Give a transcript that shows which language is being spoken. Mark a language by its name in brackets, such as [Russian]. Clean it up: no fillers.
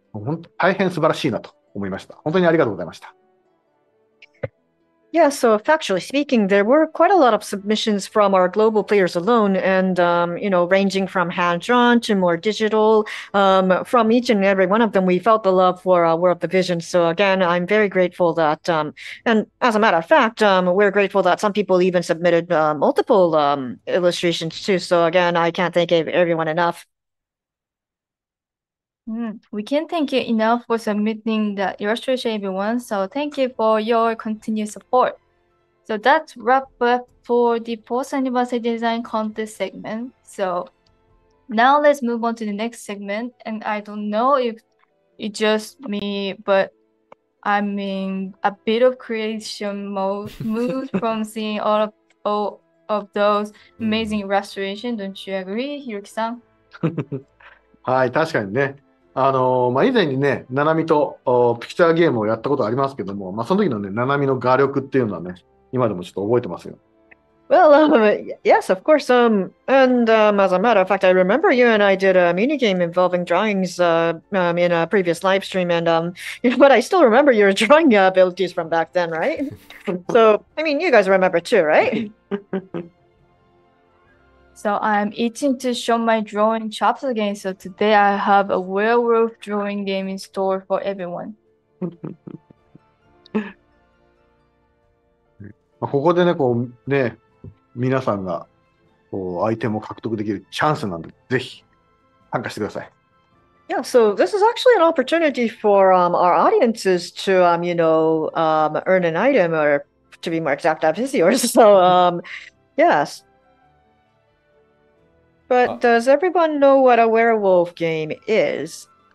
[Japanese] ね、本当にあの、まあ、今回はね、このグローバルの皆さんからだけでも本当にたくさん応募がありました。ね、で、一人でね、いくつも応募してくださってる方もいましたし、あのね、本当手書きからデジタルで書いたものからいろいろ色があるものないものも含めていろいろありました。本当にね、皆さんのこうウォーブズビジョンに対する愛が感じられて、本当大変素晴らしいなと思いました。本当にありがとうございました。 [English] Yeah, so factually speaking, there were quite a lot of submissions from our global players alone, and you know, ranging from hand-drawn to more digital. From each and every one of them, we felt the love for World of the Vision. So again, I'm very grateful that, and as a matter of fact, we're grateful that some people even submitted multiple illustrations too. So again, I can't thank everyone enough. We can't thank you enough for submitting the illustration, everyone. So thank you for your continued support. So that's wrap up for the post anniversary design contest segment. So now let's move on to the next segment. And I don't know if it's just me, but I'm in a bit of creation mode, moved from seeing all of those amazing illustrations. Don't you agree, Hiroki-san? [Japanese] はい、確かにね。まあ、以前にね、ナナミとピクチャーゲームをやったことありますけども、まあ、その時のね、ナナミの画力っていうのはね、今でもちょっと覚えてますよ。 [English] Well, yes, of course. And as a matter of fact, I remember you and I did a mini game involving drawings in a previous live stream. And but I still remember your drawing abilities from back then, right? So, I mean, you guys remember too, right? So I'm itching to show my drawing chops again. So today I have a werewolf drawing game in store for everyone. [Japanese] ここでね、こうね、皆さんがこうアイテムを獲得できるチャンスなんで、ぜひ参加してください。 [English] Yeah, so this is actually an opportunity for our audiences to you know, earn an item, or to be more exact, that is yours. So yes. But does everyone know what a werewolf game is?